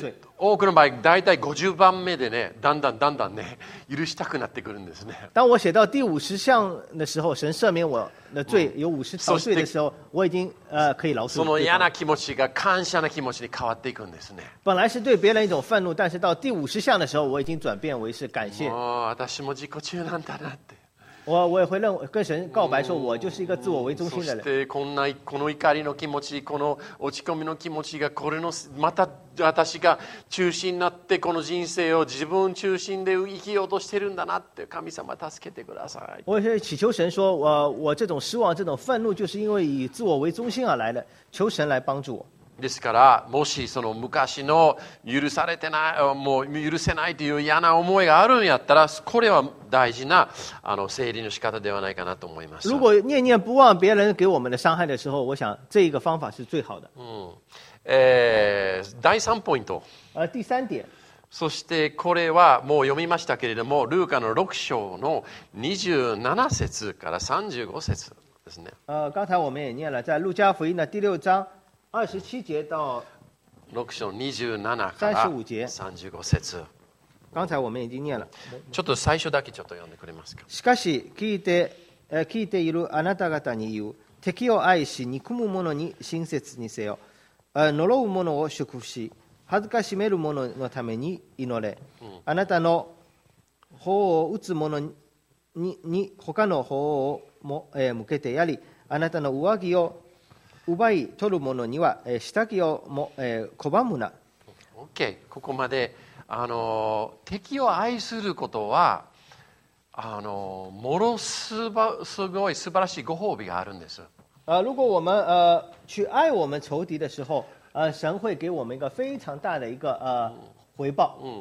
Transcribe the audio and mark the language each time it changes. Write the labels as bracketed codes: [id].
[ja] そして多くの場合、だいたい50番目でね、だんだんだんだんね、許したくなってくるんですね。 [zh] 当我写到第50项的时候，神赦免我的罪有50条罪的时候，我已经可以饶恕。 [ja] その嫌な気持ちが感謝な気持ちに変わっていくんですね。 [zh] 本来是对别人一种愤怒，但是到第50项的时候，我已经转变为是感谢。 [ja] 私も自己中なんだなって。 [zh] 我也会认跟神告白说，我就是一个自我为中心的人。 [ja] そしてこんなこの怒りの気持ち、この落ち込みの気持ちがこれのまた私が中心になってこの人生を自分中心で生きようとしてるんだなって神様助けてください。 [zh] 我是祈求神说，我这种失望、这种愤怒，就是因为以自我为中心而来的，求神来帮助我。 [ja] ですからもしその昔の許されてないもう許せないという嫌な思いがあるんやったらこれは大事なあの整理の仕方ではないかなと思います。 [zh] 如果念念不忘别人给我们的伤害的时候，我想这一个方法是最好的。 [ja] 第3ポイント [zh] 第三点。 [ja] そしてこれはもう読みましたけれども、ルカの6章の27節から35節ですね。 [zh] 刚才我们也念了在路加福音的第6章二十七节到 [ja] 六章二十七から三十五节三十五節。 [zh] 刚才我们已经念了。 [ja] ちょっと最初だけちょっと読んでくれますか。しかし聞いているあなた方に言う、敵を愛し憎む者に親切にせよ。呪う者を祝福し、恥ずかしめる者のために祈れ。あなたの方を打つ者に他の方をも向けてやり、あなたの上着を奪い取る者には下着をも拒むな。 OK、 ここまで敵を愛することはものすごい素晴らしいご褒美があるんです。 [zh] 如果我们去爱我们仇敌的时候，神会给我们一个非常大的一个回报。